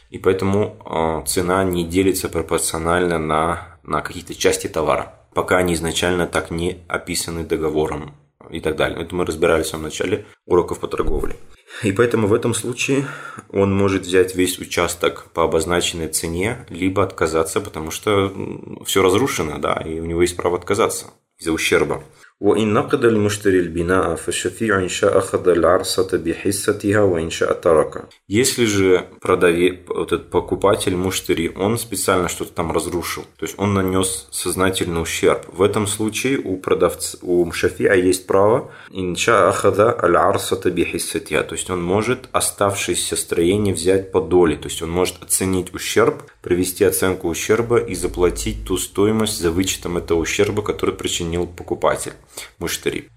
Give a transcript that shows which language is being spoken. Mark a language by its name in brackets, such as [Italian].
[Russian] И поэтому цена не делится пропорционально на какие-то части товара, пока они изначально так не описаны договором и так далее. Это мы разбирались в самом начале уроков по торговле. И поэтому в этом случае он может взять весь участок по обозначенной цене, либо отказаться, потому что все разрушено, да, и у него есть право отказаться из-за ущерба. [Arabic] وإن نقد المشتري البناء فالشفيع إن شاء أخذ العرصة بحصتها وإن شاء ترك. [Russian] Если же покупатель, муштери, он специально что-то там разрушил, то есть он нанес сознательный ущерб, в этом случае у шафиа есть право [Arabic] إن شاء أخذ العرصة بحصتها, [Russian] то есть он может оставшееся строение взять по доле, то есть он может оценить ущерб, провести оценку ущерба и заплатить ту стоимость за вычетом этого ущерба, который причинил покупатель. Муштери.